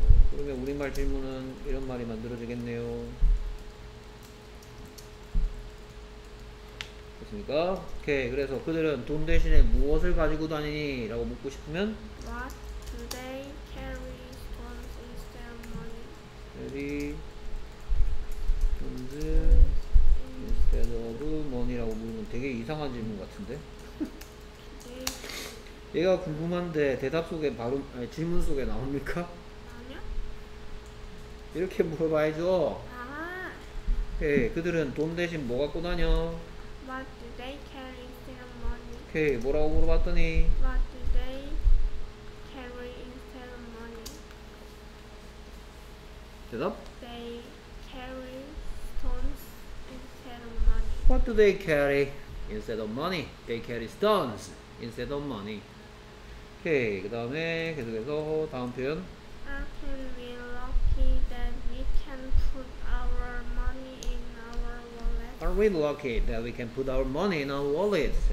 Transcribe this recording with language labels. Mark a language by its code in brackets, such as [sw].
[ko] 그러면 우리말 질문은 이런 말이 만들어지겠네요. 그니까, 오케이. 그래서 그들은 돈 대신에 무엇을 가지고 다니니?라고 묻고 싶으면 [en] What do they carry stones instead of money? Carry stones instead of money [ko] 라고 물으면 되게 이상한 질문 같은데? 얘가 궁금한데 대답 속에 바로 아니, 질문 속에 나옵니까? 아니요. 이렇게 물어봐야죠. 아. 오케이. 그들은 돈 대신 뭐 갖고 다녀? [en] What do they carry instead of money? [ko] 오케이, 뭐라고 물어봤더니 [en] What do they carry instead of money? [ko] 대답? [en] They carry stones instead of money. What do they carry instead of money? They carry stones instead of money. [ko] 오케이, 그 다음에 계속해서 다음 표현 [en] How can we be lucky that we can put our money in Are we lucky that we can put our money in our wallet?